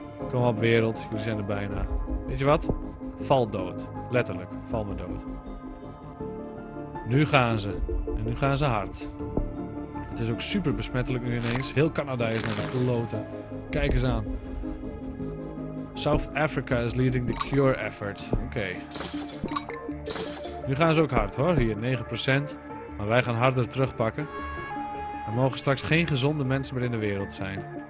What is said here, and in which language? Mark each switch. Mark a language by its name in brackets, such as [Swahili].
[Dutch] Kom op wereld. Jullie zijn er bijna. Weet je wat? Val dood. Letterlijk. Val me dood. Nu gaan ze. En nu gaan ze hard. Het is ook super besmettelijk nu ineens. Heel Canada is naar de kloten. Kijk eens aan. [English] South Africa is leading the cure effort. [Dutch] Oké. Nu gaan ze ook hard hoor. Hier 9%. Maar wij gaan harder terugpakken. Er mogen straks geen gezonde mensen meer in de wereld zijn.